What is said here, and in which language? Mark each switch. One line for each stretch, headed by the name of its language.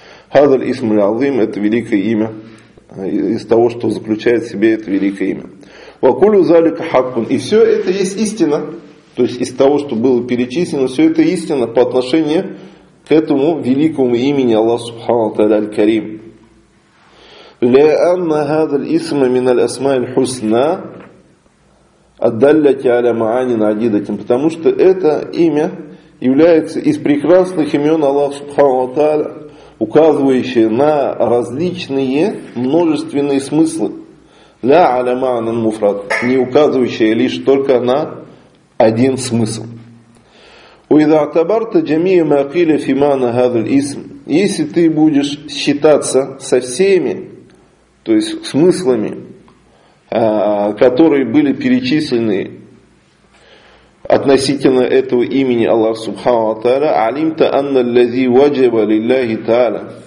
Arabic: Хадаль Исмуль Азим
Russian: это великое имя, из того, что заключает в себе это великое имя.
Arabic: Вакулю Залика Хаккун.
Russian: И все это есть истина, то есть из того, что было перечислено, все это истина по отношению к этому великому имени Аллаха Субхану Тааля Аль-Карим.
Arabic: لأن هذا الاسم من الأسماء الحسنى الدالت على معاني عديدة.
Russian: Потому что это имя является из прекрасных имен Аллаха Субхану ва Тааля, указывающее на различные множественные смыслы.
Arabic: لا على معنى مفرد.
Russian: Не указывающее лишь только на один смысл.
Arabic: وإذا اعتبرت جميع ما قيل في معنى هذا الاسم.
Russian: Если ты будешь считаться со всеми, то есть смыслами, которые были перечислены относительно этого имени Аллаха Субхану Тааля,
Arabic: «Алимта анна ллази ваджаба лилляхи Тааля».